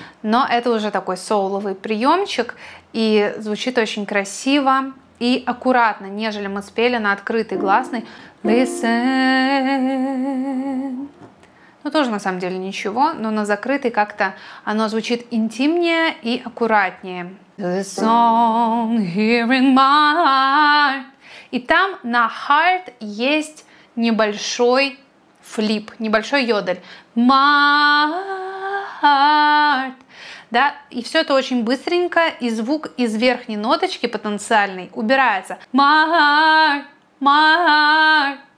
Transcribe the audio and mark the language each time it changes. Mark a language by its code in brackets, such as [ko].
[ru] Но это уже такой соуловый приемчик, и звучит очень красиво и аккуратно, нежели мы спели на открытой гласной. [en] Listen. [ru] Ну, тоже на самом деле ничего, но на закрытой как-то оно звучит интимнее и аккуратнее. [en] The song here in my heart. [ru] И там на heart есть небольшой флип, небольшой йодель. [en] My heart. [ru] Да, и все это очень быстренько, и звук из верхней ноточки потенциальной убирается. [en] My heart, my heart.